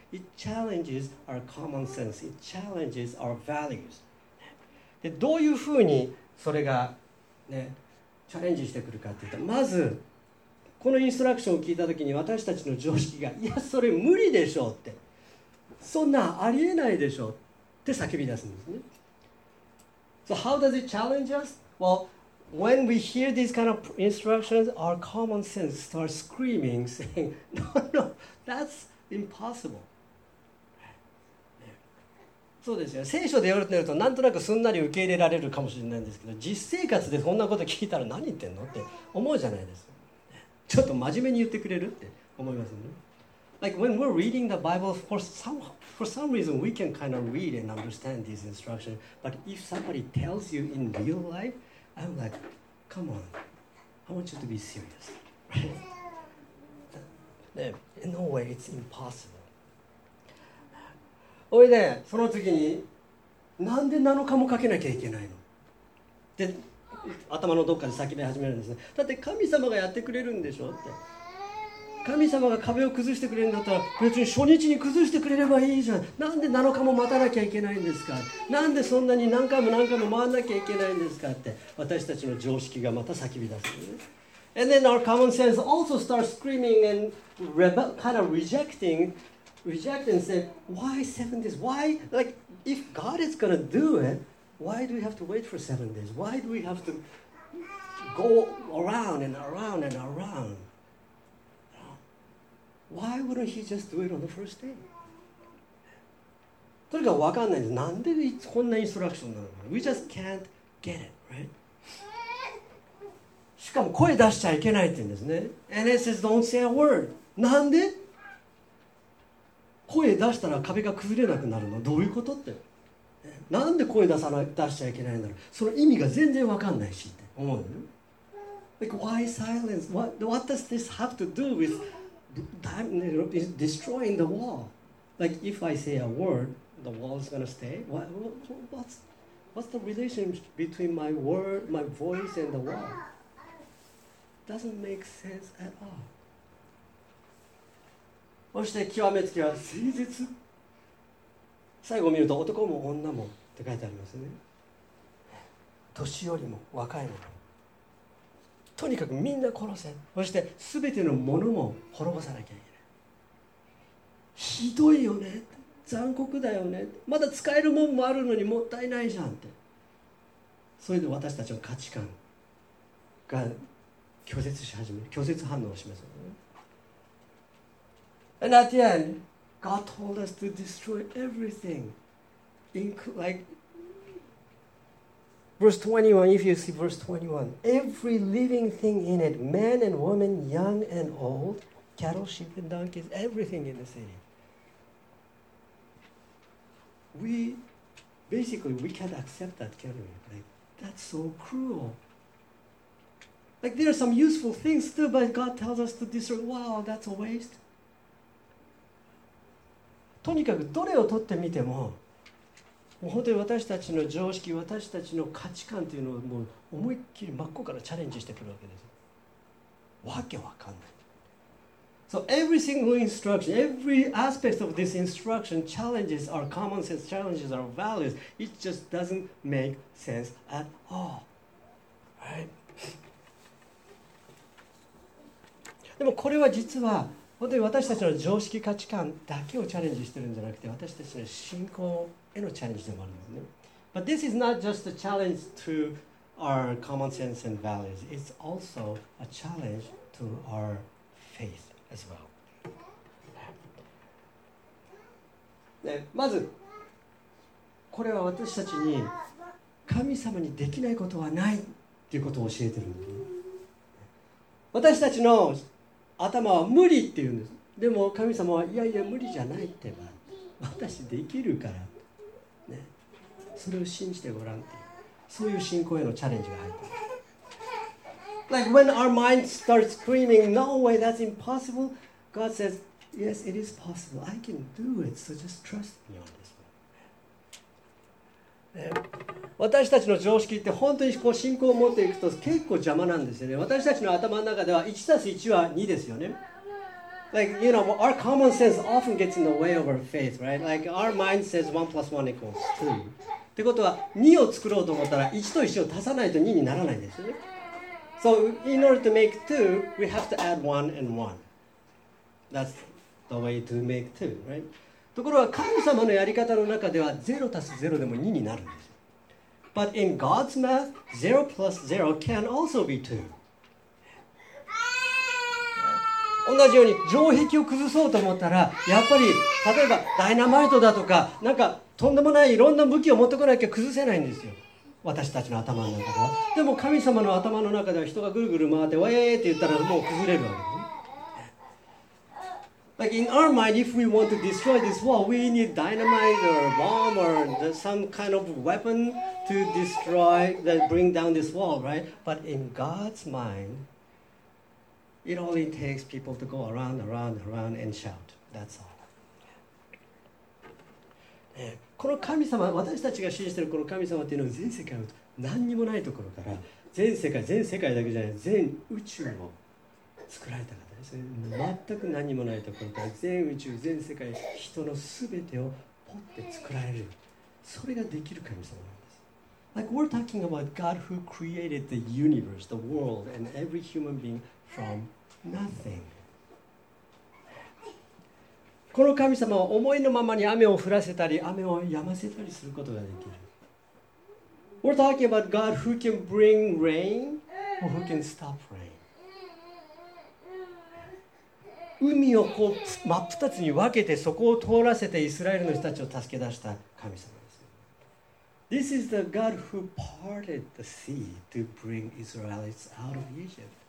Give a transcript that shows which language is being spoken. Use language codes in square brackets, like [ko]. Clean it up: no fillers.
[en] It challenges our common sense. It challenges our values. [ja] で、どういうふうにそれが、ね、チャレンジしてくるかっていうと、まず、このインストラクションを聞いたときに私たちの常識が、いや、それ無理でしょうって。そんなありえないでしょうって叫び出すんですね。 [en] So how does it challenge us? Well,When we hear these kind of instructions, our common sense starts screaming, saying, no, no, that's impossible. [ja] そうですよ。聖書で言われると、なんとなくすんなり受け入れられるかもしれないんですけど、実生活でそんなこと聞いたら何言ってんのって思うじゃないですか。ちょっと真面目に言ってくれるって思いますね。 [en] Like when we're reading the Bible, for some reason, we can kind of read and understand these instructions. But if somebody tells you in real life,I'm like, come on, I want you to be serious, right? In no way, it's impossible. [ja] おいで、その次に、なんで7日もかけなきゃいけないの？で、頭のどっかで叫び始めるんですね。だって神様がやってくれるんでしょって。神様が壁を崩してくれるんだったら、別に初日に崩してくれればいいじゃん。なんで7日も待たなきゃいけないんですか。なんでそんなに何回も何回も回らなきゃいけないんですかって、私たちの常識がまた叫び出す。 [en] And then our common sense also starts screaming and kind of rejecting and say, why 7 days? Why, like, if God is going to do it, why do we have to wait for 7 days? Why do we have to go around and around and around? Why wouldn't he just do it on the first day? [ja] とにかく分かんないです。なんでこんなインストラクションなの ? [en] We just can't get it, right? [ja] しかも声出しちゃいけないって言うんですね。 [en] And it says don't say a word. [ja] なんで声出したら壁が崩れなくなるの？どういうことって。なんで声出しちゃいけないんだろう？その意味が全然分かんないしって思うの、ね、 [en] Like, why silence? What does this have to do withDestroying the wall. Like if I say a word, the wall is going to stay. What's the relationship between my word, my voice, and the wall? Doesn't make sense at all. [ja] そして極めつけは誠実。最後見ると男も女もって書いてありますね。年寄りも若いも。とにかくみんな殺せ。そして全てのものも滅ぼさなきゃいけない。ひどいよね。残酷だよね。まだ使えるもんもあるのにもったいないじゃんって。それで私たちの価値観が拒絶し始める。拒絶反応を示す、ね。 [en] And at the end, God told us to destroy everything. Verse 21, if you see verse 21, every living thing in it, man and woman, young and old, cattle, sheep and donkeys, everything in the city. We can't accept that, can we? Like, that's so cruel. Like, there are some useful things still, but God tells us to destroy. Wow, that's a waste. [ja] とにかくどれを取ってみても、もう本当に私たちの常識、私たちの価値観というのをもう思いっきり真っ向からチャレンジしてくるわけです。わけわかんない。 [en] So every single instruction, every aspect of this instruction challenges our common sense, challenges our values. It just doesn't make sense at all. Right? [ja] でもこれは実は本当に私たちの常識価値観だけをチャレンジしてるんじゃなくて、私たちの信仰へのチャレンジでもあるんですね。 [en] But this is not just a challenge to our common sense and values. It's also a challenge to our faith as well. [ja] ね、まず、これは私たちに神様にできないことはないっていうことを教えてるんですね。私たちの頭は無理って言うんです。でも神様はいやいや無理じゃないってば、私できるから、ね、それを信じてごらんって、そういう信仰へのチャレンジが入ってます。 [en] Like when our mind starts screaming, no way, that's impossible, God says, yes, it is possible, I can do it, so just trust me on this one. [ja] 私たちの常識って本当にこう信仰を持っていくと結構邪魔なんですよね。私たちの頭の中では 1+1 は2ですよね。 [en] Like, you know, our common sense often gets in the way of our faith, right? Like, our mind says 1+1=2. [ja] ってことは、2を作ろうと思ったら1と1を足さないと2にならないんですよね。 [en] So, in order to make 2, we have to add 1 and 1. That's the way to make 2, right? [ja] ところが、神様のやり方の中では 0+0 でも2になるんです。 [en] But in God's math, 0 plus 0 can also be 2. [ja] 同じように城壁を崩そうと思ったら、やっぱり例えばダイナマイトだとか、なんかとんでもないいろんな武器を持ってこなきゃ崩せないんですよ。私たちの頭の中では。でも神様の頭の中では人がぐるぐる回って、わえーって言ったらもう崩れるわけ。 [en] Like in our mind, if we want to destroy this wall, we need dynamite or bomb or some kind of weapon to destroy, that bring down this wall, right? But in God's mind, it only takes people to go around, around, around and shout. That's all. [ja] この神様、私たちが信じているこの神様というのは全世界を、何にもないところから、全世界だけじゃない、全宇宙を作られた方。全く何もないところから全宇宙全世界人の全てをポッて作られる、それができる神様なんです。 [en] Like we're talking about God who created the universe, the world and every human being from nothing. [ja] この神様は思いのままに雨を降らせたり雨を止ませたりすることができる。 [en] We're talking about God who can bring rain or who can stop rain. [ja] 海をこう真っ二つに分けてそこを通らせてイスラエルの人たちを助け出した神様です。 [en] This is the God who parted the sea to bring Israelites out of Egypt.